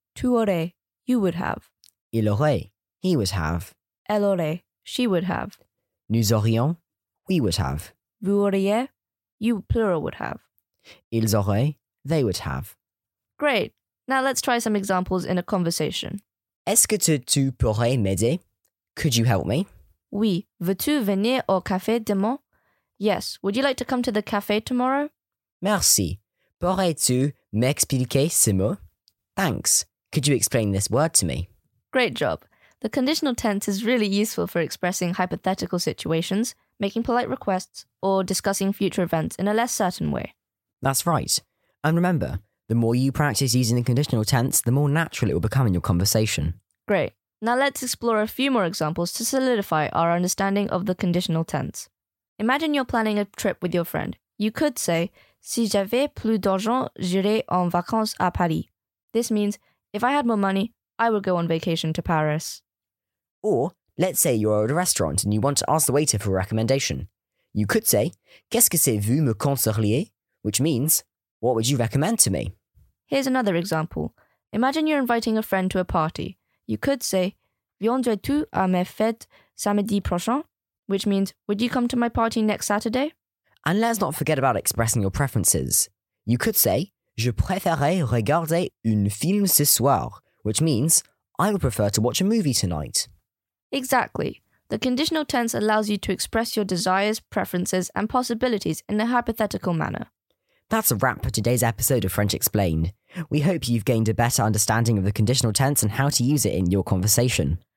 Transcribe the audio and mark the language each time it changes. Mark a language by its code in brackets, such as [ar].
[fr] Tu aurais, [en] you would have. [fr] Il aurait, [en] he would have. [fr] Elle aurait, [en] she would have. [fr] Nous aurions, [en] we would have. [fr] Vous auriez, [en] you plural would have. [fr] Ils auraient, [en] they would have. Great. Now let's try some examples in a conversation. [fr] Est-ce que tu pourrais m'aider? [en] Could you help me? [fr] Oui. Veux-tu venir au café demain? [en] Yes. Would you like to come to the café tomorrow? [fr] Merci. Pourrais-tu m'expliquer ce mot? [en] Thanks. Could you explain this word to me? Great job. The conditional tense is really useful for expressing hypothetical situations, making polite requests, or discussing future events in a less certain way. That's right. And remember, the more you practice using the conditional tense, the more natural it will become in your conversation. Great. Now let's explore a few more examples to solidify our understanding of the conditional tense. Imagine you're planning a trip with your friend. You could say, [fr] si j'avais plus d'argent, j'irais en vacances à Paris. [en] This means, if I had more money, I would go on vacation to Paris. Or, let's say you're at a restaurant and you want to ask the waiter for a recommendation. You could say, [fr] qu'est-ce que c'est vous me conseillez? [en] Which means, what would you recommend to me? Here's another example. Imagine you're inviting a friend to a party. You could say, [fr] viendrais-tu à mes fêtes samedi prochain? [en] Which means, would you come to my party next Saturday? And let's not forget about expressing your preferences. You could say, [fr] je préférerais regarder un film ce soir. [en] Which means, I would prefer to watch a movie tonight. Exactly. The conditional tense allows you to express your desires, preferences, and possibilities in a hypothetical manner. That's a wrap for today's episode of French Explained. We hope you've gained a better understanding of the conditional tense and how to use it in your conversation.